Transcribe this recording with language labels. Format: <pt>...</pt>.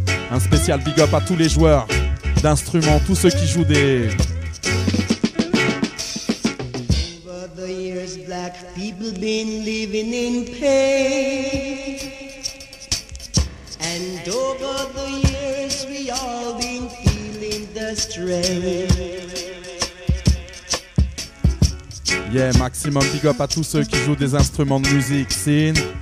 <fr>Un spécial big up à tous les joueurs d'instruments, tous ceux qui jouent des...</fr> <en>Over the years, black people been living in pain. And over the years, we all been feeling the strain.</en> <fr>Yeah,</fr> <en>maximum big up</en> <fr>à tous ceux qui jouent des instruments de musique, scene.</fr>